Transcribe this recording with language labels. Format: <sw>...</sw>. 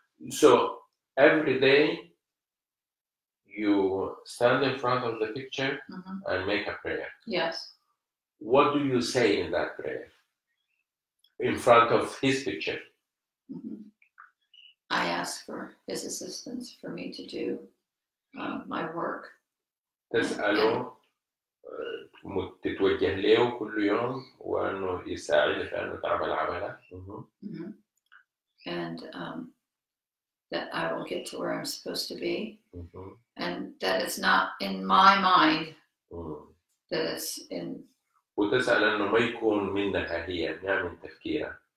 <en>So every day you stand in front of the picture mm-hmm. and make a prayer. Yes. What do you say in that prayer? In front of his picture? Mm-hmm. I ask for his assistance for me to do my work.</en> <ar>تسأله تتوجه له كل يوم وأنه يساعدك أن تعمل عملك.</ar> <en>And that I will get to where I'm supposed to be. Mm-hmm. And that it's not in my mind. Mm-hmm. That it's in.</en> <ar>وتسأل أنه ما يكون منها هي من تفكيرها</ar>